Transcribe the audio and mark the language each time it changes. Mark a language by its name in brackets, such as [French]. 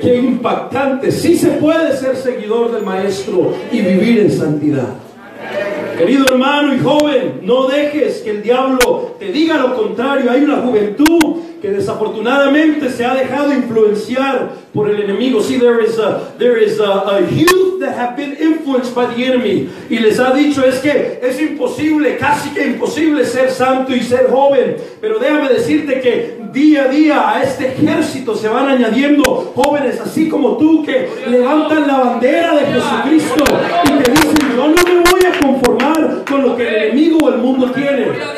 [Spanish] Qué impactante. Sí se puede ser seguidor del Maestro y vivir en santidad. Querido hermano y joven, no dejes que el diablo te diga lo contrario. Hay una juventud que desafortunadamente se ha dejado influenciar por el enemigo. [English] See, there is a youth that have been influenced by the enemy. [Spanish] Y les ha dicho, es que es imposible, casi que imposible ser santo y ser joven. Pero déjame decirte que día a día a este ejército se van añadiendo jóvenes así como tú que levantan la bandera de Jesucristo y te dicen, yo no me voy a conformar con lo que el enemigo o el mundo quiere.